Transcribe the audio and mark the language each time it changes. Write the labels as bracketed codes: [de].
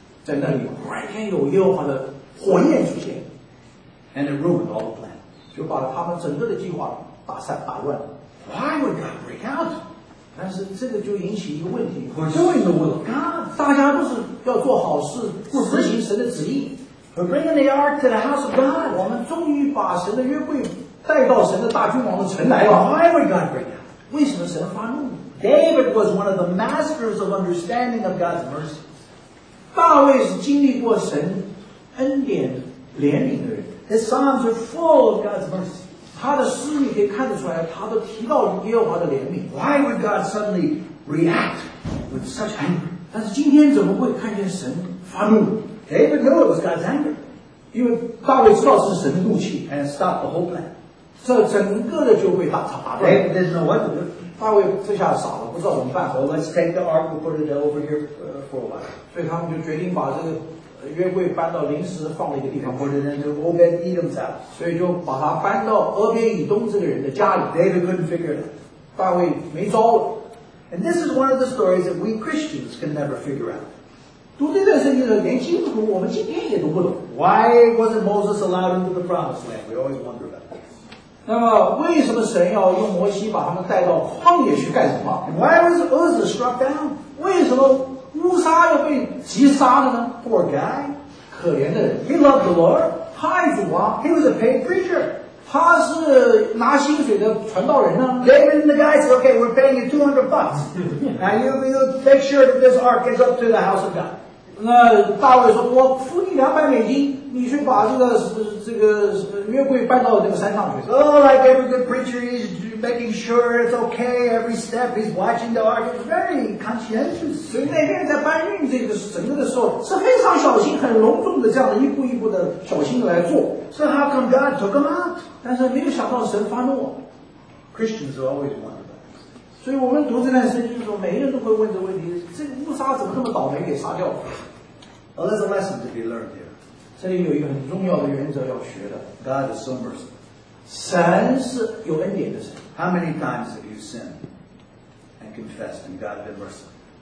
[zh] 在那里突然间有耶和华的火焰出现。 [en] And it ruined all the plans. [zh] 就把他们整个的计划打散打乱。 [en] Why would God break out? [zh] 但是这个就引起一个问题。 [en] We're doing the will of God. [zh] 大家都是要做好事，不执行神的旨意。 [en] We're bringing the ark to the house of God. [zh] 我们终于把神的约柜带到神的大君王的城来了。 [en] Why would God bring that? [zh] 为什么神发怒？ [en] David was one of the masters of understanding of God's mercies. [zh] 大卫是经历过神恩典怜悯的人。 [en] His psalms are full of God's mercy. [zh] 他的诗你可以看得出来，他都提到耶和华的怜悯。 [en] Why would God suddenly react with such anger? [zh] 但是今天怎么会看见神发怒？ [en] David knew it was God's anger. [zh] 因为大卫知道是神的怒气 [en] and stopped the whole plan. [zh] 这整个的就会打草惊蛇。 [en] David didn't know what to do. [zh] 大卫这下傻了，不知道怎么办。 [en] So let's take the ark and put it over here for a while. [zh] 所以他们就决定把这个约柜搬到临时放了一个地方。 [en] Put it into Obed-Edom's house. [zh] 所以就把它搬到俄别以东这个人的家里。 [en] David couldn't figure it out. [zh] 大卫没招了。 [en] And this is one of the stories that we Christians can never figure out. [zh] 读这段圣经的连基督徒，我们今天也读不懂。 [en] Why wasn't Moses allowed into the promised land? We always wonder about this. [zh] 那么，为什么神要用摩西把他们带到旷野去干什么 [en] ？And why was Uzzah struck down? [zh] 为什么乌撒要被击杀了呢 [en] ？Poor guy, [zh] 可怜的人。 [en] He loved the Lord. [zh] 他爱主啊。 [en] He was a paid preacher. [zh] 他是拿薪水的传道人呢。 [en] David and the guys said, "Okay, we're paying you $200. Now you make sure that this ark gets up to the house of God." [zh] 那大卫说：“我付你$200，你去把这个约柜搬到这个山上去。” [en] Oh, like every good preacher, he's making sure it's okay every step. He's watching the ark. It's very conscientious. [zh] 所以那边在搬运这个整个的时候，是非常小心、很隆重的这样的一步一步的小心的来做。 [en] So how come God took him out? [zh] 但是没有想到神发怒。 [en] Christians are always wondering. [zh] 所以我们读这段圣经的时候，每一个人都会问这个问题：这乌撒怎么那么倒霉给杀掉了 [en] ？Well, there's a lesson to be learned here. [zh] 这里有一个很重要的原则要学的。 [en] God is so merciful. [zh] 神是有恩典的神。 [en] How many times have you sinned and confessed and God been merciful?